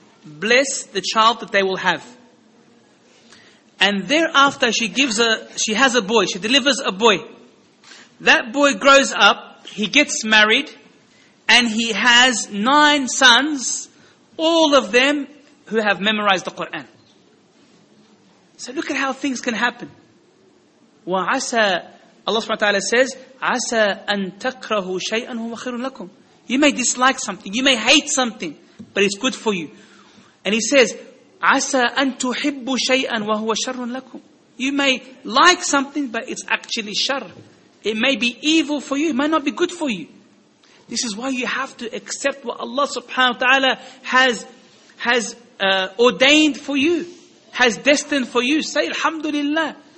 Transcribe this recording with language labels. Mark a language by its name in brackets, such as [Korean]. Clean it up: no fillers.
[English] Bless the child that they will have. And thereafter, she has a boy. She delivers a boy. That boy grows up. He gets married. And he has 9 sons, all of them who have memorized the Quran. So look at how things can happen. [Arabic] وَعَسَى, [English] Allah subhanahu wa ta'ala says, [Arabic] عَسَى أَن تَكْرَهُ شَيْئًا هُوَ خَيْرٌ لَكُمْ. [English] You may dislike something, you may hate something, but it's good for you. And he says, [Arabic] عَسَى أَن تُحِبُّ شَيْئًا وَهُوَ شَرٌ لَكُمْ. [English] You may like something, but it's actually shar. It may be evil for you, it might not be good for you. This is why you have to accept what Allah subhanahu wa ta'ala has ordained for you, has destined for you. Say alhamdulillah.